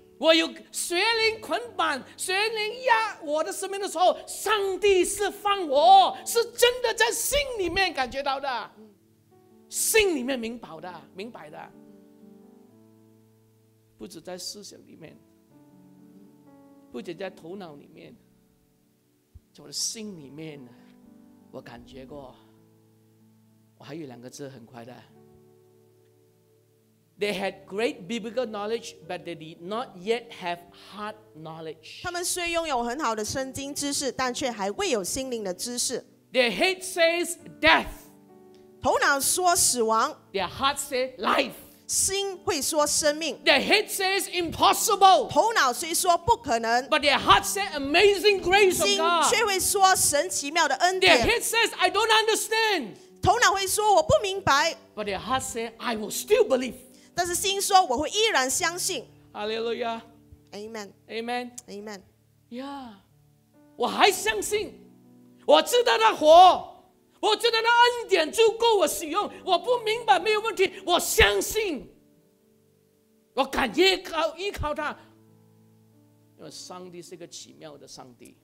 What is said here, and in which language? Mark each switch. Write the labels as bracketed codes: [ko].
[zh] 我有邪灵捆绑，邪灵压我的生命的时候，上帝释放我，是真的在心里面感觉到的，心里面明白的，明白的。不只在思想里面，不只在头脑里面，在我的心里面，我感觉过。我还有两个字，很快的。 [en] They had great biblical knowledge, but they did not yet have heart knowledge. [zh] 他们虽拥有很好的圣经知识，但却还未有心灵的知识。 [en] Their head says death. [zh] 头脑说死亡。 [en] Their heart says life. [zh] 心会说生命。 [en] Their head says impossible. [zh] 头脑虽说不可能。 [en] But their heart says amazing grace of God. [zh] 心却会说神奇妙的恩典。 [en] Their head says I don't understand. [zh] 头脑会说我不明白。 [en] But their heart says I will still believe. [zh] 但是心说我会依然相信。 [en] Hallelujah. Amen. Amen. Amen. [zh] Yeah. 我还相信。我知道他活。我知道那恩典足够我使用，我不明白没有问题，我相信，我敢依靠他，因为上帝是个奇妙的上帝。